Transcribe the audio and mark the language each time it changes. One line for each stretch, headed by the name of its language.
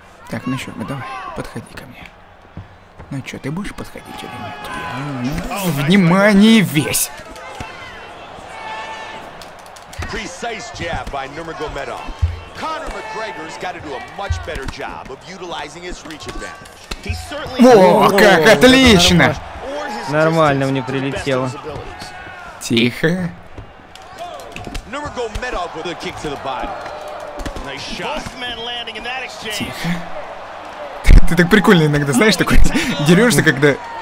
Russian: Так, ну что, ну давай, подходи ко мне. Ну что, ты будешь подходить или нет? Внимание весь!
English: Precise jab by Nurmagomedov. Conor McGregor's got to do a much better job of utilizing his reach advantage. He certainly. О,
Russian: как отлично! Нормально мне прилетело. Тихо.
English: Nurmagomedov with a kick to the body. Nice shot. Both men landing in that exchange.
Russian: Тихо. Ты так прикольно иногда, знаешь, такой дерешься, когда.